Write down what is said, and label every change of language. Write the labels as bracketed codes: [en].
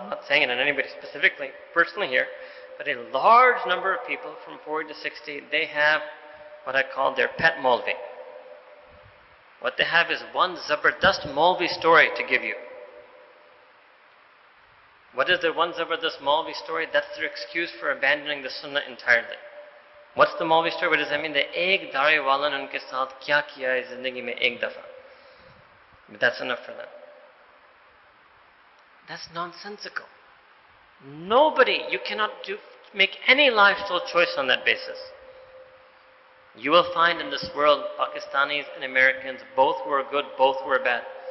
[en] I'm not saying it in anybody specifically, personally here. But a large number of people from 40 to 60, they have what I call their pet maulvi. What they have is one zabardast maulvi story to give you. What is their one zabardast maulvi story? That's their excuse for abandoning the sunnah entirely. What's the maulvi story? What does that mean? [ur] The ایک داڑھی والا نے ان کے ساتھ کیا کیا ہے زندگی میں ایک دفعہ. [en] But that's enough for them. That's nonsensical. Nobody, you cannot do, make any lifestyle choice on that basis. You will find in this world Pakistanis and Americans, both were good, both were bad.